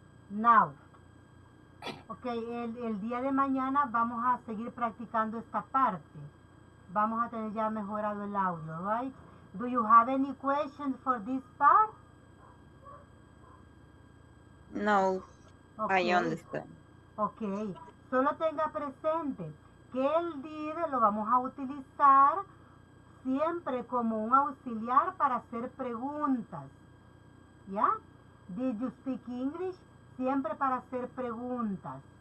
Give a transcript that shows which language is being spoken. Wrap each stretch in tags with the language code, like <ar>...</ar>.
<es>Now, okay, el día de mañana vamos a seguir practicando esta parte. Vamos a tener ya mejorado el audio, right?</es> <en>Do you have any questions for this part? No, okay. I understand.</en> <es>Okay, solo tenga presente que el did lo vamos a utilizar siempre como un auxiliar para hacer preguntas. ¿Ya?</es> <en>Did you speak English?</en> <es>Siempre para hacer preguntas.</es>